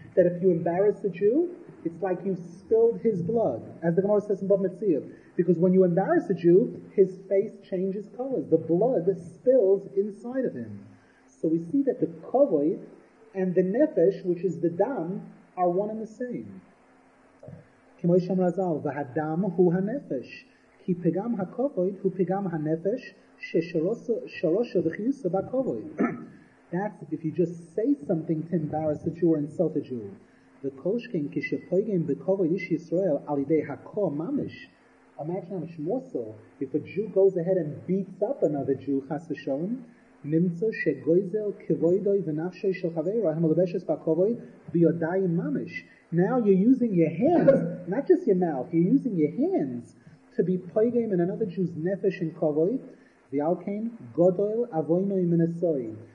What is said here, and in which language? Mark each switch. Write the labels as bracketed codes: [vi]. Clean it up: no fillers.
[en] That if you embarrass a Jew, it's like you spilled his blood, as the Gemara says in Bava Metzia. Because when you embarrass a Jew, his face changes colors. The blood spills inside of him. So we see that the kovod and the nefesh, which is the dam, are one and the same. [he] Kimo yisham razal, v'hadam hu ha-nefesh. כי פגם הכבוד הוא פגם הנפש ששרושו וחיוסו בכבוד. [en] That's if you just say something to embarrass a Jew or insult a Jew. [he] וכושכן כשפויגן בכבוד איש ישראל על ידי הכו ממש. [en] Imagine how much more so if a Jew goes ahead and beats up another Jew, [he] חס ושלום, נמצא שגויזל כבודוי ונפשוי של חברו המלבשת בכבוד בידיים ממש. [en] Now you're using your hands, not just your mouth, you're using your hands to be poigim in another Jew's nefesh in kovoi, [he] v'alkein godoil avoinoi minasoi.